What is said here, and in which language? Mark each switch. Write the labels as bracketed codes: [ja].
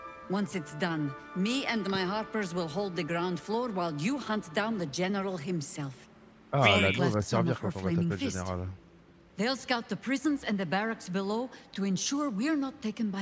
[en] Once it's done, me and my harpers will hold the ground floor while you hunt down the general himself. [fr] Ah, la loi va servir quand on va taper le général. [en] They'll scout the prisons and the barracks below to ensure we're not taken by